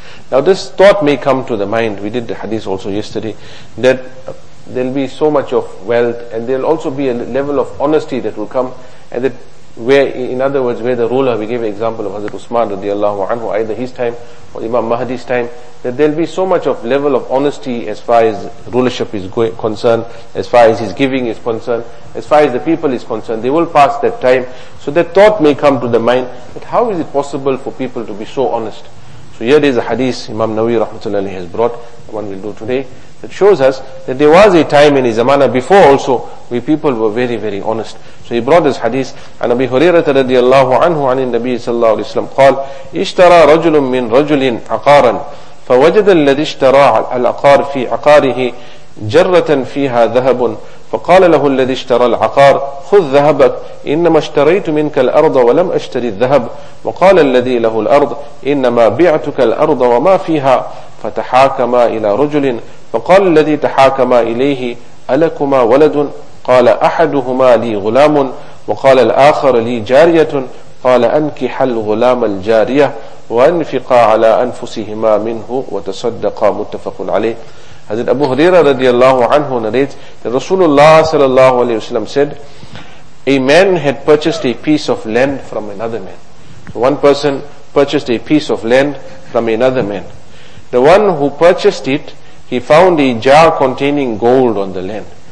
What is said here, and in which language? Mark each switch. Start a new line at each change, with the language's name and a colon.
English: Now this thought may come to the mind, we did the hadith also yesterday, that there'll be so much of wealth, and there'll also be a level of honesty that will come, and that where, in other words, where the ruler, we gave an example of Hazrat Usman radiallahu anhu, either his time or Imam Mahdi's time, that there'll be so much of level of honesty as far as rulership is concerned, as far as his giving is concerned, as far as the people is concerned, they will pass that time. So that thought may come to the mind, that how is it possible for people to be so honest? So here is a hadith Imam Nawawi rahmatullahi alayhi has brought, the one we'll do today, that shows us that there was a time in his zamana before also where people were very, very honest. So he brought this hadith, and
Arabic: Abi Hurairah radiallahu anhu an Nabi sallallahu alayhi wa sallam qal, ishtara rajulun min rajulin aqaran, فوجد الذي اشترى العقار في عقاره جرة فيها ذهب فقال له الذي اشترى العقار خذ ذهبك إنما اشتريت منك الأرض ولم أشتري الذهب وقال الذي له الأرض إنما بعتك الأرض وما فيها فتحاكما إلى رجل فقال الذي تحاكما إليه ألكما ولد قال أحدهما لي غلام وقال الآخر لي جارية قال أنكح الغلام الجارية وأنفقا على أنفسهما منه وتصدقا متفق عليه.
English: Hazrat Abu Huraira radiallahu anhu narrates that Rasulullah sallallahu alayhi wa sallam said, a man had purchased a piece of land from another man. So one person purchased a piece of land from another man. The one who purchased it, he found a jar containing gold on the land.